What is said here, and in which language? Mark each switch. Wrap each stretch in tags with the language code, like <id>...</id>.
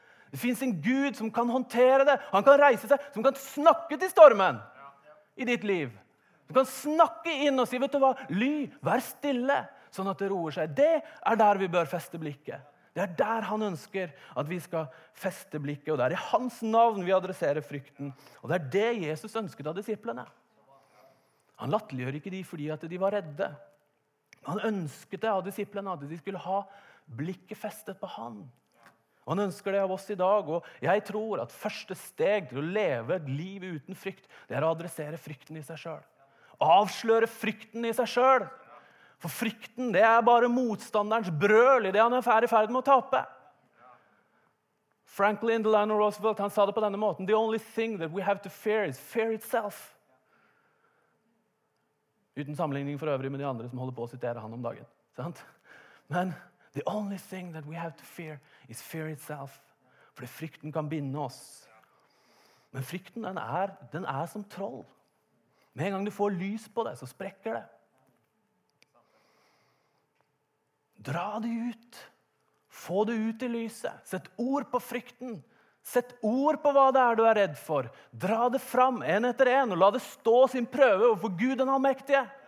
<sv>Det finns en Gud som kan hantera det. Han kan resa sig, som kan snacka till stormen I ditt liv. Du kan snacka in och säga, vet du vad? Ly, var stille, så att det roar sig. Det är där vi bör fästa blicket. Det är där han önskar att vi ska fästa blicket och där I hans namn vi adresserar frykten. Och det är det Jesus önskade av disciplinerna.</sv> <no>Han latterliggjør ikke de fordi at de var redde. Han ønsket det av disiplene at de skulle ha blikket festet på han. Han ønsker det av oss I dag, og jeg tror at første steg til å leve et liv uten frykt, det å adressere frykten I seg selv. Avsløre frykten I seg selv. For frykten, det bare motstanderens brøl I det han I ferd med å tape. Franklin Delano Roosevelt, han sa det på denne måten,</no> <en>the only thing that we have to fear is fear itself.</en> <no>Uten sammenligning for øvrig med de andre som holder på å sitere han om dagen. Sant? Men</no> <en>the only thing that we have to fear is fear itself.</en> <no>For frykten kan binde oss. Men frykten, den er som troll. Med en gang du får lys på det, så sprekker det. Dra det ut. Få det ut I lyset. Sett ord på frykten. Sett ord på hva det du redd for. Dra det fram en etter en, og la det stå sin prøve overfor Gud den allmektige.</no>